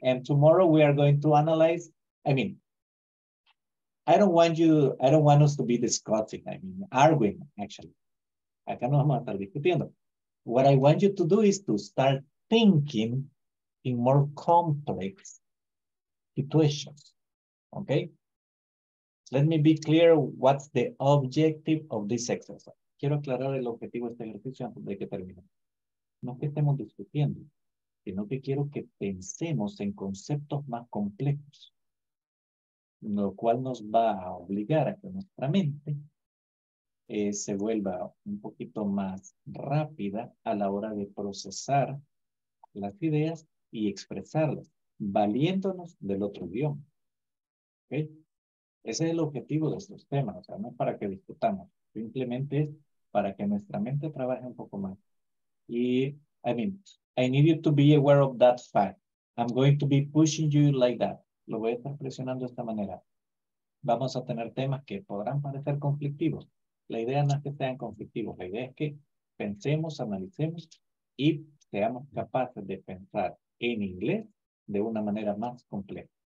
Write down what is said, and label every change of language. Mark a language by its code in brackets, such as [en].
[en] And tomorrow we are going to analyze, I mean, I don't want us to be discussing, I mean, arguing, actually. [es] Acá no vamos a estar discutiendo. [en] What I want you to do is to start thinking in more complex situations, okay? Let me be clear what's the objective of this exercise. [es] Quiero aclarar el objetivo de este ejercicio antes de que termine. No que estemos discutiendo, sino que quiero que pensemos en conceptos más complejos, lo cual nos va a obligar a que nuestra mente se vuelva un poquito más rápida a la hora de procesar las ideas y expresarlas, valiéndonos del otro idioma. ¿Okay? Ese es el objetivo de estos temas, o sea, no es para que discutamos, simplemente es para que nuestra mente trabaje un poco más. [en] Y, I mean, I need you to be aware of that fact. I'm going to be pushing you like that. [es] Lo voy a estar presionando de esta manera. Vamos a tener temas que podrán parecer conflictivos. La idea no es que sean conflictivos. La idea es que pensemos, analicemos y seamos capaces de pensar en inglés de una manera más compleja.